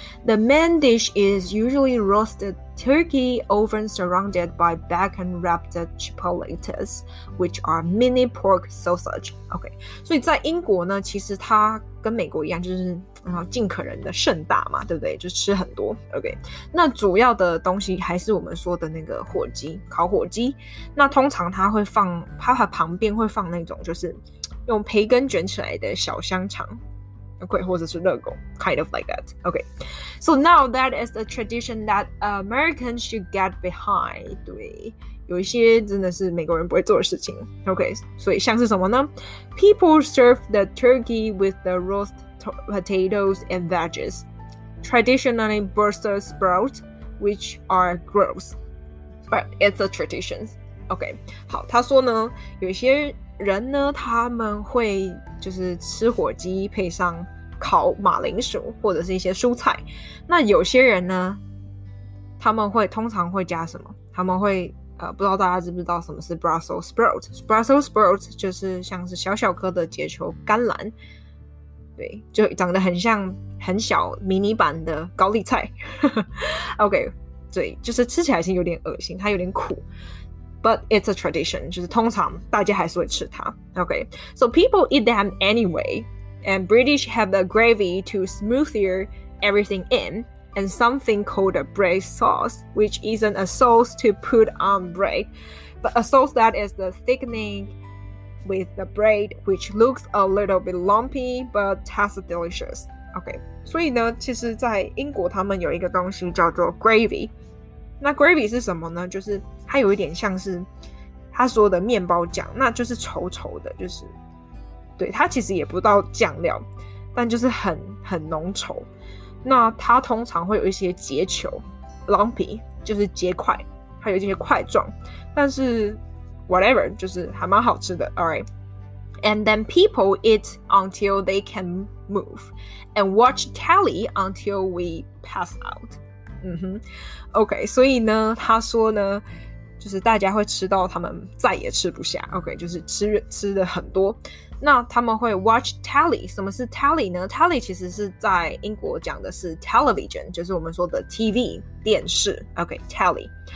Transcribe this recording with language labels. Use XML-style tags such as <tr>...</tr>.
<en>The main dish is usually roasted turkey, often surrounded by bacon-wrapped chipolatas, which are mini pork sausage.</en> <zh>OK, 所以在英国呢，其实它跟美国一样，就是尽可能的盛大嘛，对不对？就吃很多。 OK, 那主要的东西还是我们说的那个火鸡，烤火鸡。那通常它会放，它旁边会放那种就是用培根卷起来的小香肠。</zh> <en>Okay,</en> <zh>或者是乐狗,</zh> <en>kind of like that. Okay, so now that is the tradition that Americans should get behind.</en> <zh>对，有一些真的是美国人不会做的事情。 Okay, 所以像是什么呢?</zh> <en>People serve the turkey with the roast potatoes and veggies, traditionally Brussels sprouts, which are gross, but it's a tradition.</en> <zh>Okay, 好，他说呢，有一些人呢，他们会就是吃火鸡配上烤马铃薯或者是一些蔬菜。那有些人呢，他们会通常会加什么？他们会不知道大家知不知道什么是 Brussels sprout。Brussels sprout 就是像是小小颗的结球甘蓝，对，就长得很像很小迷你版的高丽菜。 OK， 对，就是吃起来是有点恶心，它有点苦。</zh> <en>But it's a tradition，</en> <zh>就是通常大家还是会吃它。</zh> <en>OK， so people eat them anyway， and British have the gravy to smoothier everything in. And something called a bread sauce, which isn't a sauce to put on bread, but a sauce that is the thickening with the bread, which looks a little bit lumpy, but tastes delicious.</en> <zh>Okay, 所以呢，其实在英国他们有一个东西叫做 gravy. 那 gravy 是什么呢？就是它有一点像是他说的面包酱，那就是稠稠的，就是对，它其实也不到酱料，但就是很浓稠。那它通常会有一些结球 lumpy， 就是结块，还有一些块状，但是 whatever， 就是还蛮好吃的。</zh> <en>Alright， and then people eat until they can move and watch telly until we pass out。</en> <zh>嗯哼 ，OK， 所以呢，他说呢，就是大家会吃到他们再也吃不下。 OK， 就是吃的很多。那他们会 watch telly， 什么是 telly 呢？ telly 其实是在英国讲的是 television， 就是我们说的 TV 电视。OK， telly。</zh>